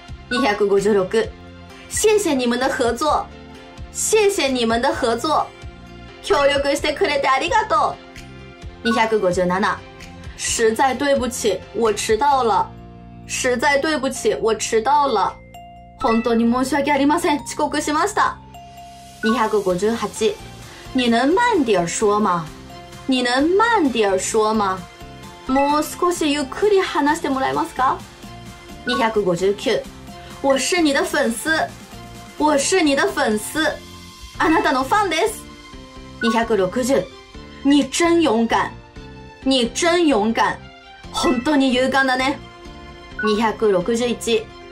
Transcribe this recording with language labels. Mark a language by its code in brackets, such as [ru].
[zh] 256。 谢谢你们的合作。谢谢你们的合作。 [ja] 協力してくれてありがとう。 [zh] 257。 实在对不起、我迟到了。实在对不起、我迟到了。 [ja] 本当に申し訳ありません。遅刻しました。 [zh] 258。你能慢点说吗？你能慢点说吗？ [ja] もう少しゆっくり話してもらえますか？ [zh] 259。 我是你的粉丝。我是你的粉丝。 [ja] あなたのファンです。260。 [zh] 你真勇敢。你真勇敢。 [ja] 本当に勇敢だね。261。